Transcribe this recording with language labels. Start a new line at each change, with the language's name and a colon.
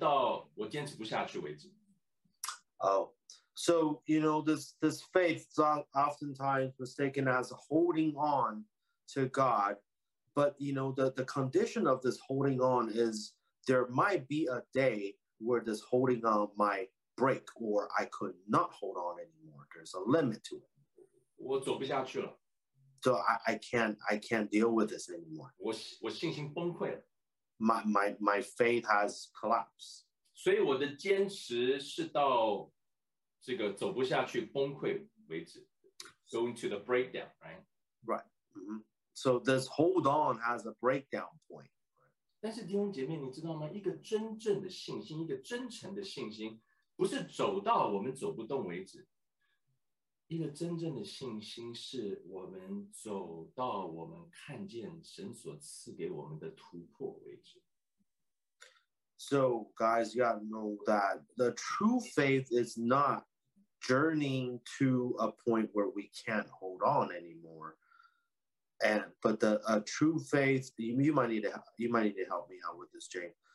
Chinese: 可是很多时候我们对信心的了解变成
English: Oh, so, you know, this faith is oftentimes mistaken as holding on to God. But, you know, the condition of this holding on is there might be a day where this holding on might break or I could not hold on anymore. There's a limit to it.
Chinese: 我走不下去了。
English: So I can't deal with this anymore.
Chinese: 我信心崩溃了。
English: My faith has collapsed.
Chinese: 所以我的坚持是到这个走不下去崩溃为止。
English: Going to the breakdown, right? Right. Mm-hmm. So this hold on has a breakdown point.
Chinese: 但是弟兄姐妹，你知道吗？一个真正的信心，一个真诚的信心，不是走到我们走不动为止。一个真正的信心是我们走到我们看见神所赐给我们的突破为止。
English: So, guys, you gotta know that the true faith is not journeying to a point where we can't hold on anymore. And but the a true faith, you might need to help me out with this, Jane.